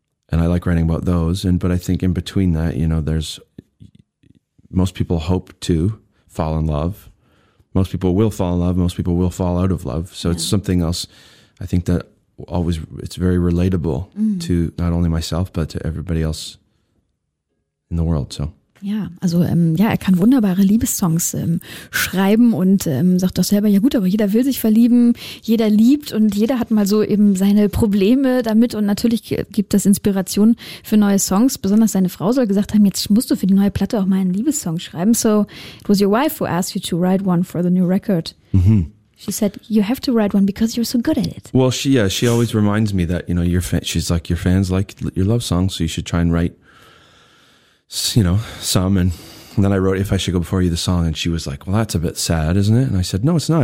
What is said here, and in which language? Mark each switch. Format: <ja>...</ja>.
<en>And I like writing about those. But I think in between that, you know, there's, most people hope to fall in love. Most people will fall in love. Most people will fall out of love. So it's something else. I think that always it's very relatable to not only myself, but to everybody else in the world. So.</en> <de>Ja, also er kann wunderbare Liebessongs schreiben und sagt doch selber, ja gut, aber jeder will sich verlieben, jeder liebt und jeder hat mal so eben seine Probleme damit und natürlich gibt das Inspiration für neue Songs. Besonders seine Frau soll gesagt haben, jetzt musst du für die neue Platte auch mal einen Liebessong schreiben.</de> <en>So it was your wife who asked you to write one for the new record. Mm-hmm. She said, you have to write one because you're so good at it. Well, she always reminds me that, you know, she's like, your fans like your love songs, so you should try and write, you know, some. And then I wrote If I Should Go Before You, the song, and she was like, well, that's a bit sad, isn't it? And I said, no, it's not.</en>